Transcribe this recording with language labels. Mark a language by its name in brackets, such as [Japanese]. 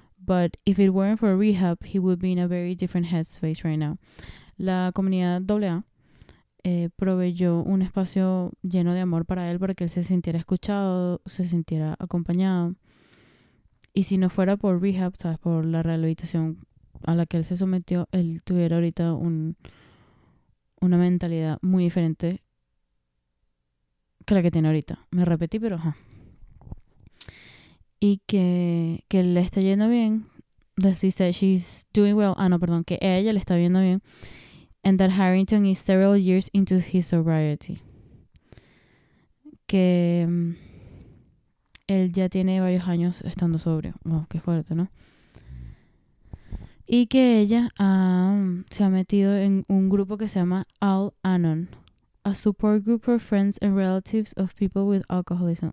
[English] But if it weren't for rehab, he would be in a very different headspace right now." [Spanish] La comunidad AA proveyó un espacio lleno de amor para él, para que él se sintiera escuchado, se sintiera acompañado. Y si no fuera por rehab, ¿sabes? Por la rehabilitación a la que él se sometió, él tuviera ahorita una mentalidad muy diferente que la que tiene ahorita. Me repetí, pero ajá. Y que le está yendo bien. [English] That she said she's doing well. [Spanish] Ah, no, perdón. Que ella le está yendo bien. [English] And that Harrington is several years into his sobriety. [Spanish] Que él ya tiene varios años estando sobrio. Wow, qué fuerte, ¿no? Y que ella se ha metido en un grupo que se llama All Anon. [English] A support group for friends and relatives of people with alcoholism.